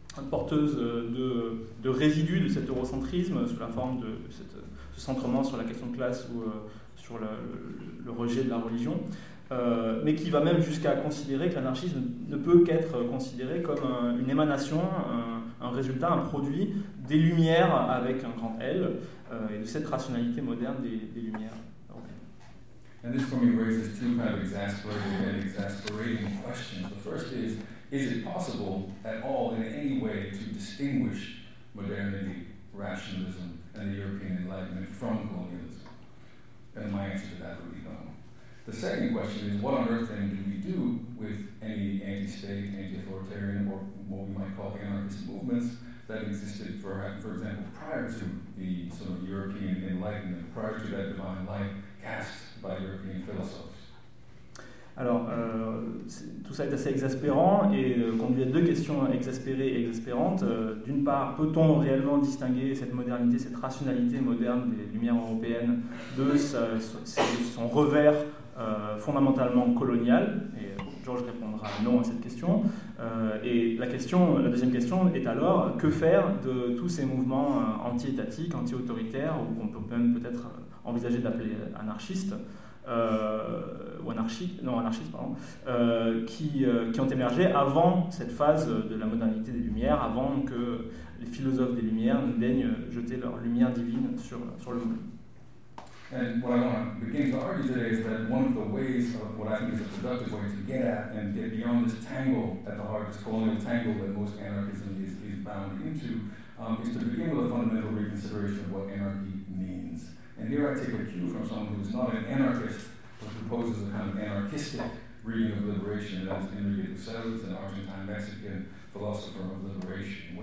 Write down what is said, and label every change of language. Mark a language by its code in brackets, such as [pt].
[fr] porteuse de résidus de cet eurocentrisme sous la forme de ce centrement sur la question de classe ou sur le rejet de la religion, mais qui va même jusqu'à considérer que l'anarchisme ne peut qu'être considéré comme une émanation, un résultat, un produit des Lumières avec un grand L et de cette rationalité moderne des Lumières. [en] And this for me raises two kind of exasperating and exasperating questions. The first is it possible at all in any way to distinguish modernity, rationalism, and the European Enlightenment from colonialism? And my answer to that would be no. The second question is, what on earth then do we do with any anti-state, anti-authoritarian, or what we might call anarchist movements that existed, for example, prior to the sort of European Enlightenment, prior to that divine light cast by European philosophers? [fr] Alors, tout ça est assez exaspérant et conduit à deux questions exaspérées et exaspérantes. D'une part, peut-on réellement distinguer cette modernité, cette rationalité moderne des Lumières européennes de son revers fondamentalement colonial? Et Georges répondra non à cette question. La deuxième question est alors, que faire de tous ces mouvements anti-étatiques, anti-autoritaires, ou qu'on peut même peut-être envisager d'appeler anarchistes, qui ont émergé avant cette phase de la modernité des Lumières, avant que les philosophes des Lumières ne daignent jeter leur lumière divine sur le monde. [en] And what I want to begin to argue today is that one of the ways of what I think is a productive way to get at and get beyond this tangle at the heart, this colonial tangle that most anarchism is bound into, is to begin with a fundamental reconsideration of what anarchy means. And here I take a cue from someone who is not an anarchist, but proposes a kind of anarchistic reading of liberation, and that is Enrique Bustos, an Argentine-Mexican philosopher of liberation.